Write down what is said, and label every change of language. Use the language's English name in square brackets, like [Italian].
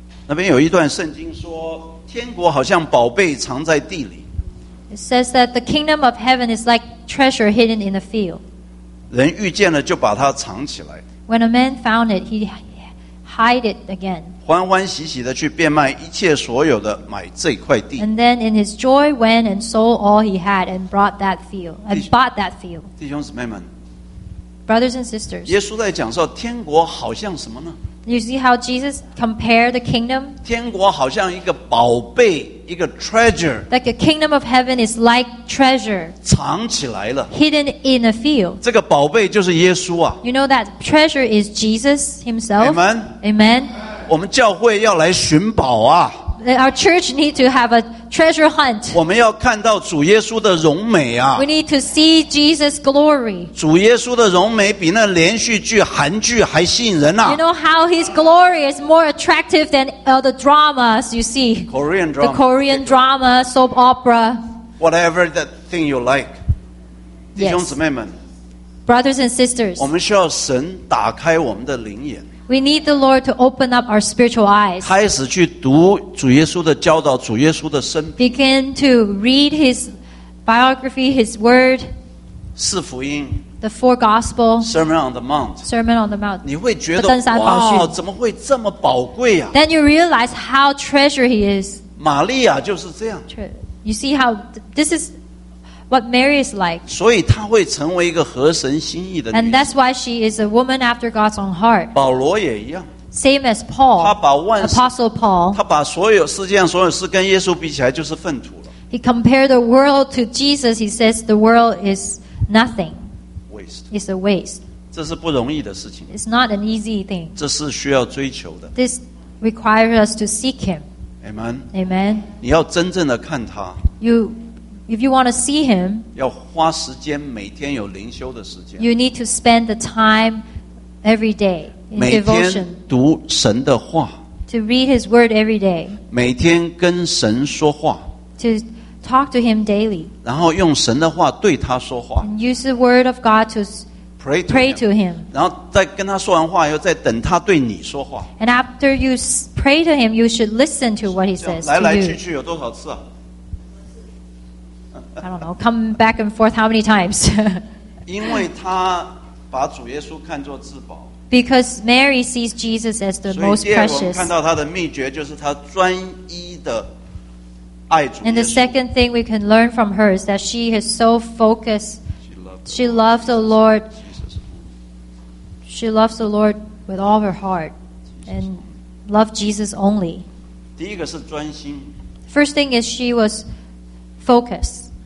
[Chinese] 那边有一段圣经说，天国好像宝贝藏在地里。 [English] It says that the kingdom of heaven is like treasure hidden in a field. [Chinese] 人遇见了就把它藏起来。 [English] When a man found it, he hid it again. [Chinese] 欢欢喜喜的去变卖一切所有的买这块地。 [English] And then in his joy went and sold all he had and brought that field and bought that field. [Chinese] 弟兄姊妹们。 [English] Brothers and sisters. [Chinese] 耶稣在讲说天国好像什么呢？ [English] You see how Jesus compared the kingdom? [Chinese] 天国好像一个宝贝，一个 treasure. [English] Like a kingdom of heaven is like treasure. [Chinese] 藏起来了。 [English] Hidden in a field. [Chinese] 这个宝贝就是耶稣啊。 [English] You know that treasure is Jesus himself. Amen. Amen. [Chinese] 我们教会要来寻宝啊。 [English] Our church need to have a treasure hunt. [Chinese] 我们要看到主耶稣的荣美啊。 [English] We need to see Jesus' glory. [Chinese] 主耶稣的荣美比那连续剧、韩剧还吸引人啊。 [English] You know how his glory is more attractive than all the dramas you see. Korean drama. The Korean drama, soap opera. Whatever the thing you like. [Chinese] 弟兄姊妹们。 [English] Brothers and sisters. [Chinese] 我们需要神打开我们的灵眼。 [English] We need the Lord to open up our spiritual eyes. [Chinese] 开始去读主耶稣的教导，主耶稣的生平。 [English] Begin to read his biography, his word. [Chinese] 四福音。 [English] The four gospels. Sermon on the Mount. Sermon on the Mount. [Chinese] 你会觉得哇，怎么会这么宝贵啊？ [English] Then you realize how treasure he is. [Chinese] 玛利亚就是这样。 [English] You see how this is what Mary is like. [Chinese] 所以她会成为一个合神心意的女子。 [English] And that's why she is a woman after God's own heart. [Chinese] 保罗也一样。 [English] Same as Paul. [Chinese] 他把万事 [English] Apostle Paul. [Chinese] 他把所有世界上所有事跟耶稣比起来就是粪土了。 [English] He compared the world to Jesus. He says the world is nothing. Waste. It's a waste. [Chinese] 这是不容易的事情。 [English] It's not an easy thing. [Chinese] 这是需要追求的。 [English] This requires us to seek him. Amen. Amen. [Chinese] 你要真正的看他。 [English] If you want to see him, [Chinese] 要花时间每天有灵修的时间。 [English] You need to spend the time every day in devotion. [Chinese] 每天读神的话。 [English] To read his word every day. [Chinese] 每天跟神说话。 [English] To talk to him daily. [Chinese] 然后用神的话对他说话。 [English] And use the word of God to pray to him. [Chinese] 然后再跟他说完话以后，再等他对你说话。 [English] And after you pray to him, you should listen to what he says to you. [Chinese] 来来去去有多少次啊？ [English] I don't know. Come back and forth how many times? [Chinese] 因为他把主耶稣看作至宝。 [English] Because Mary sees Jesus as the most precious. [Chinese] 所以第二个我们看到他的秘诀就是他专一的爱主耶稣。 [English] And the second thing we can learn from her is that she is so focused. She loves the Lord. She loves the Lord with all her heart and loves Jesus only. [Chinese] 第一个是专心。 [English] First thing is she was focused.